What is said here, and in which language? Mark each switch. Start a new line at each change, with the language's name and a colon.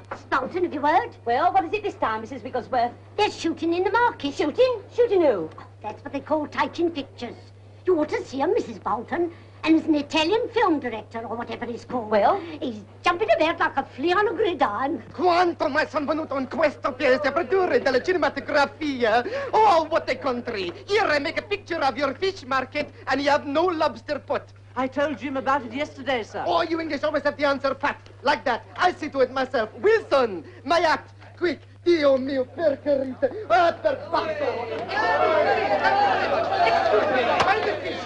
English: Bolton, have you heard? Well, what is it this time, Mrs. Wigglesworth? There's shooting in the market. Shooting? Shooting who? Oh, that's what they call taking pictures. You ought to see him, Mrs. Bolton. And there's an Italian film director, or whatever he's called. Well? He's jumping about like a flea on a gridiron.
Italian: Quanto mai son venuto in questo paese a produrre della cinematografia?
English: Oh, what a country. Here I make a picture of your fish market, and you have no lobster pot. I told Jim about it yesterday, sir. Oh, you English always have the answer pat, like that. I see to it myself. Wilson, my act, quick.
Italian: Dio mio, per carita. Ah, per fatto.